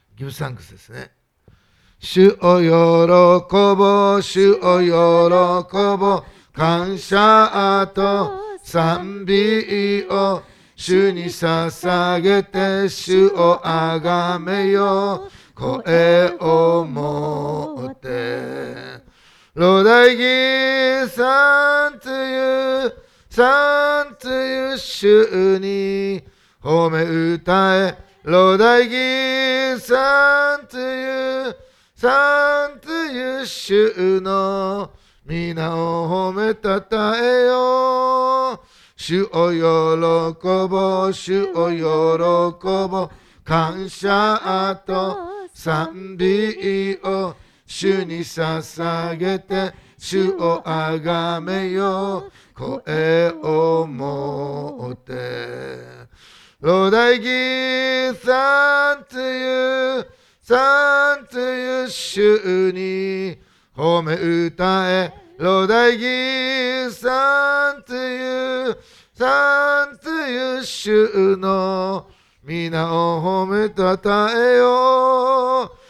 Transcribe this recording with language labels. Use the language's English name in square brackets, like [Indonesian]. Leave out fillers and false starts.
[Japanese] ギブサンクスですね。主を喜ぼう、主を喜ぼう、感謝と賛美を主に捧げて、主をあがめよ、声を持って。 [English] Lord, I give thanks to you, thanks to you, [Japanese] 主に褒め歌え。 [English] Lord, I give thanks to you, thanks to you, [Japanese] 主の皆を褒めたたえよ。主を喜ぼう、主を喜ぼう、感謝と賛美を主に捧げて、主をあがめよ、声を持って。 [English] Lord, I give thanks to you, thanks to you, [Japanese] 主に褒め歌え。 [English] Lord, I give thanks to youThank to you, [Japanese] 主の皆を褒めたたえよ。